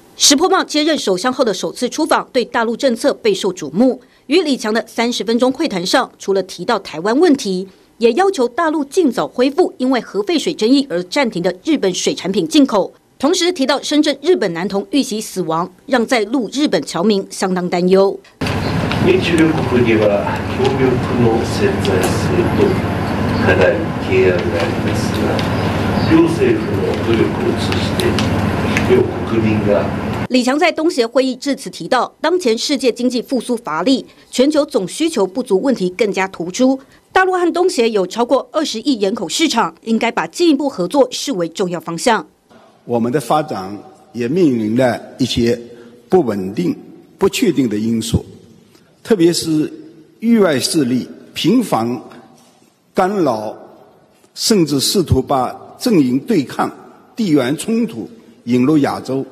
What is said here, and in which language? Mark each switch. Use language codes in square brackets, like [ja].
[zh] 石破茂接任首相后的首次出访，对大陆政策备受瞩目。与李强的30分钟会谈上，除了提到台湾问题，也要求大陆尽早恢复因为核废水争议而暂停的日本水产品进口，同时提到深圳日本男童遇袭死亡，让在陆日本侨民相当担忧。 [ja] 日中両国には協力の潜在性と課題、懸案がありますが、両政府の努力を通じて、両国民が [zh] 李强在东协会议致辞提到，当前世界经济复苏乏力，全球总需求不足问题更加突出，大大陆和东协有超过20亿人口市场，应该把进一步合作视为重要方向。我们的发展也面临了一些不稳定、不确定的因素，特别是域外势力频繁干扰，甚至试图把阵营对抗、地缘冲突引入亚洲。